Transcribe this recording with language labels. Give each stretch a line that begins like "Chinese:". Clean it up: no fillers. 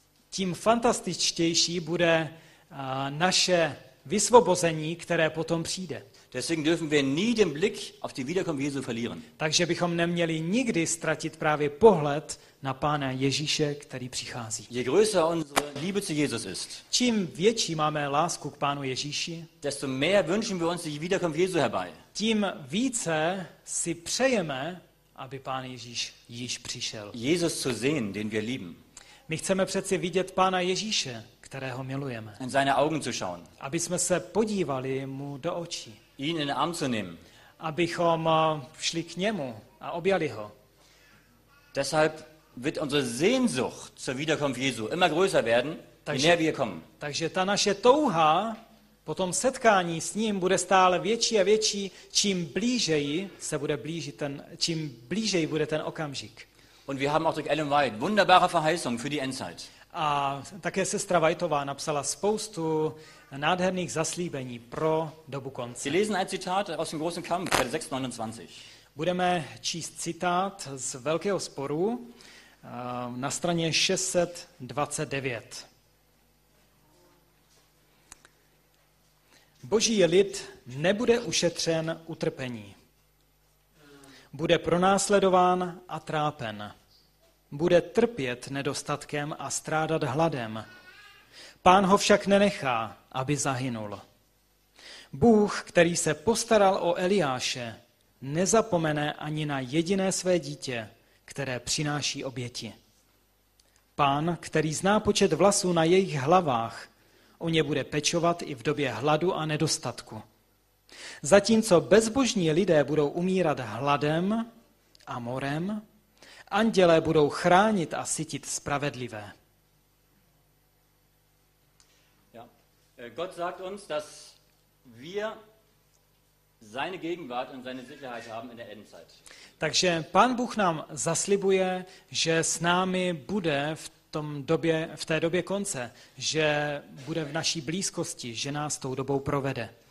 Czech: Tím fantastičtější bude naše vysvobození, které potom přijde.
German: Deswegen dürfen wir nie den Blick auf die Wiederkunft Jesu verlieren.
Czech: Takže bychom neměli nikdy ztratit právě pohled na Pána Ježíše, který přichází.
German: Je größer unsere Liebe zu Jesus ist.
Czech: Čím větší máme lásku k Pánu Ježíši,
German: desto mehr wünschen wir uns die Wiederkunft Jesu herbei.
Czech: Tím více si přejeme, aby Pán Ježíš již přišel.
German: Jesus zu sehen, den wir lieben.
Czech: My chceme přece vidět Pána Ježíše, kterého milujeme.
German: In seine Augen zu schauen.
Czech: Aby jsme se podívali mu do očí.
German: Ihn in Arm zu nehmen.
Czech: Abychom šli k němu a objali ho.
German: Deshalb wird unsere Sehnsucht zur Wiederkunft Jesu immer größer werden, je näher wir kommen.
Czech: Takže ta naše touha po tom setkání s ním bude stále větší a větší, čím blížeji bude ten okamžik.
German: Und wir haben auch durch Ellen White wunderbare Verheißung für die Endzeit.
Czech: A také sestra Whiteová napsala spoustu nádherných zaslíbení pro dobu konce.
German: Sie lesen ein Zitat aus dem großen Kampf, Seite 629.
Czech: Budeme číst citát z Velkého sporu na straně 629. Boží lid nebude ušetřen utrpení. Bude pronásledován a trápen. Bude trpět nedostatkem a strádat hladem. Pán ho však nenechá, aby zahynul. Bůh, který se postaral o Eliáše, nezapomene ani na jediné své dítě, které přináší oběti. Pán, který zná počet vlasů na jejich hlavách, o ně bude pečovat i v době hladu a nedostatku. Zatímco bezbožní lidé budou umírat hladem a morem, andělé budou chránit a sytit spravedlivé.
German: Ja. Gott sagt uns, dass wir seine Gegenwart und seine Sicherheit haben in der Endzeit.
Czech: Takže Pán Bůh nám zaslibuje, že s námi bude v té době konce, že bude v naší blízkosti, že nás tou dobou provede.